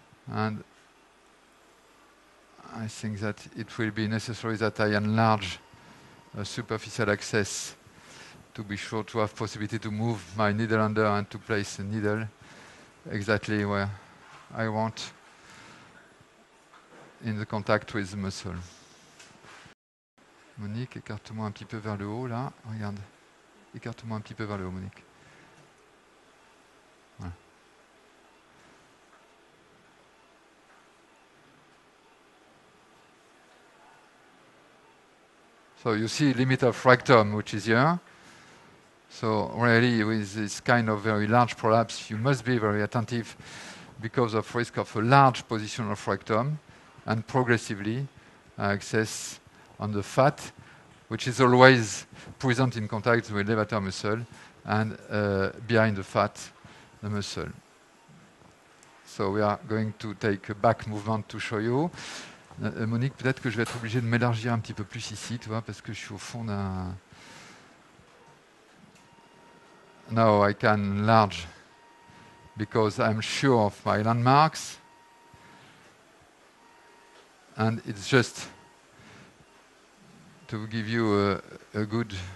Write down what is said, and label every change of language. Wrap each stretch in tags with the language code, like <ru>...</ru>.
<en>And I think that it will be necessary that I enlarge a superficial access to be sure to have possibility to move my needle under and to place the needle exactly where I want in the contact with the muscle.</en> <fr>Monique, écarte-moi un petit peu vers le haut là. Regarde. Écarte-moi un petit peu vers le haut, Monique.</fr> <en>So you see limit of rectum, which is here. So really, with this kind of very large prolapse, you must be very attentive because of risk of a large position of rectum and progressively access on the fat, which is always present in contact with levator muscle and behind the fat, the muscle. So we are going to take a back movement to show you.</en> <fr>Monique, peut-être que je vais être obligé de m'élargir un petit peu plus ici, tu vois, parce que je suis au fond d'un...</fr> <en>Now I can enlarge because I'm sure of my landmarks. And it's just to give you a good...</en>